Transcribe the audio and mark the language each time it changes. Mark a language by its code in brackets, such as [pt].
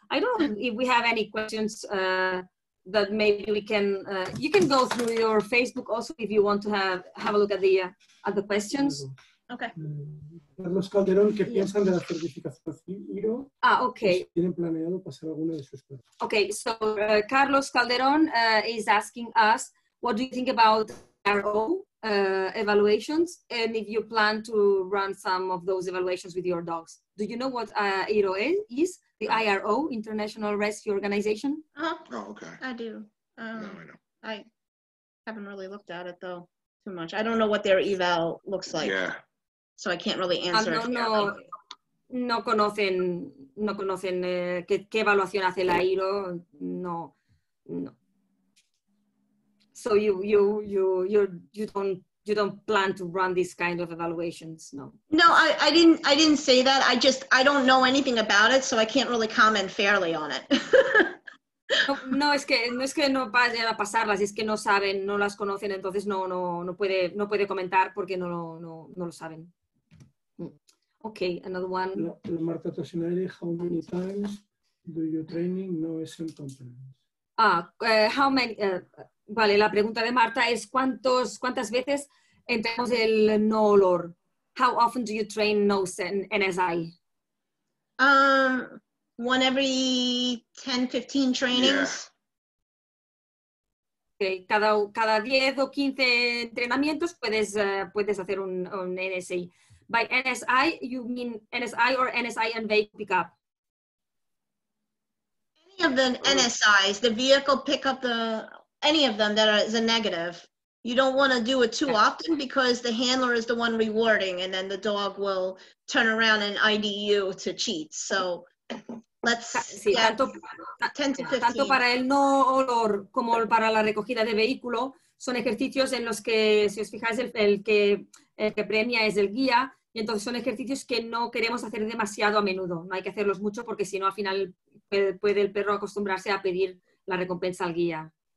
[en] I don't know if we have any questions that maybe we can, you can go through your Facebook also if you want to have a look at the questions. Okay. [es] Carlos Calderón, ¿qué piensan de la certificación CIRO? [en] Ah, okay. [es] ¿Tienen planeado pasar alguna de sus pruebas? [en] Okay, so Carlos Calderón is asking us, what do you think about RO? Evaluations, and if you plan to run some of those evaluations with your dogs. Do you know what IRO is? The IRO, International Rescue Organization? Uh-huh. Oh, okay. I do. I haven't really looked at it, though, too much. I don't know what their eval looks like. Yeah. So I can't really answer. [es] No conocen qué evaluación hace la IRO. No, no. [en] So you don't plan to run these kind of evaluations, no? No, I didn't say that. I don't know anything about it, so I can't really comment fairly on it. [es] no es que no vayan a pasarlas, es que no saben, no las conocen, entonces no puede comentar porque no lo saben. [en] Okay, another one. La Marta Tosinari, how many times do you training no es en compliance? [es] Vale, la pregunta de Marta es ¿cuántas veces entrenamos el no olor? [en] How often do you train no scent NSI? One every 10, 15 trainings. Yeah. [es] Okay, cada 10 o 15 entrenamientos puedes hacer un NSI. [en] By NSI, you mean NSI or NSI and vehicle pickup? Any of the NSIs, the vehicle pickup, any of them that is a negative. You don't want to do it too often because the handler is the one rewarding and then the dog will turn around and ID you to cheat. So [es] Tanto para el no olor como para la recogida de vehículo, son ejercicios en los que, si os fijáis, el que premia es el guía, y entonces son ejercicios que no queremos hacer demasiado a menudo. No hay que hacerlos mucho porque si no, al final puede el perro acostumbrarse a pedir la recompensa al guía.